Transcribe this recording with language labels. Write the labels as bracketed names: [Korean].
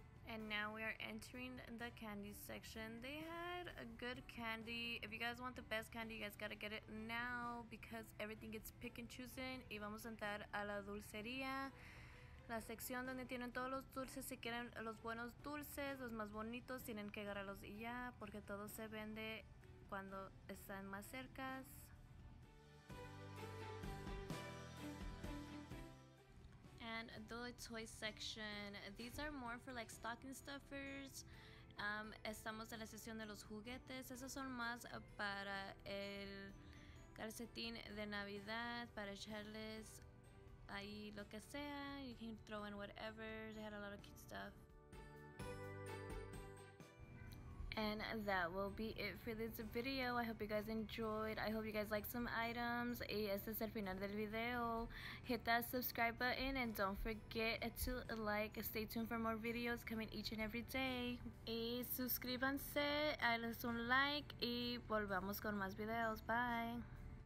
[English] And now we are entering the candy section. They had a good candy. If you guys want the best candy, you guys gotta get it now because everything gets pick and choosing. [Spanish] Y vamos a entrar a la dulcería. La sección donde tienen todos los dulces, si quieren los buenos dulces, los más bonitos, tienen que agarrarlos y ya, porque todo se vende cuando están más cerca. [English] And the toy section. These are more for like stocking stuffers. [Spanish] Estamos en la sección de los juguetes. Esos son más para el calcetín de Navidad, para echarles ahí lo que sea, [English] you can throw in whatever. They had a lot of cute stuff. And that will be it for this video. I hope you guys enjoyed. I hope you guys like some items. [Spanish] Y este es el final del video. [English] Hit that subscribe button and don't forget to like. Stay tuned for more videos coming each and every day. [Spanish] Y suscríbanse, háganles un like y volvamos con más videos. Bye.